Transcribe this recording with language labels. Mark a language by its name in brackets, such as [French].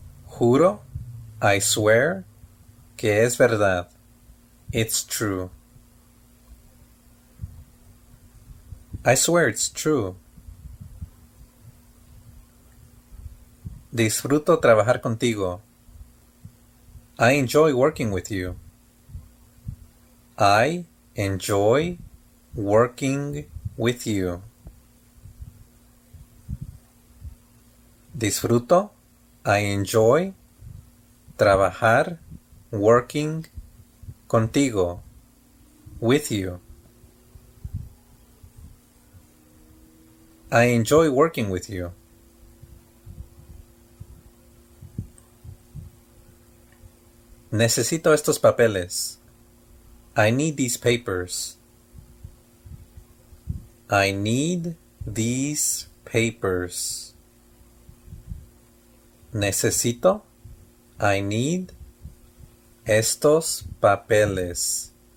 [Spanish] Juro, [English] I swear [Spanish] que es verdad. [English] It's true. I swear it's true. [Spanish] Disfruto trabajar contigo. [English] I enjoy working with you. I enjoy working with you. [Spanish] Disfruto, [English] I enjoy [Spanish] trabajar [English] working [Spanish] contigo, [English] with you. I enjoy working with you. [Spanish] Necesito estos papeles. [English] I need these papers. I need these papers. [Spanish] Necesito. [English] I need [Spanish] estos papeles.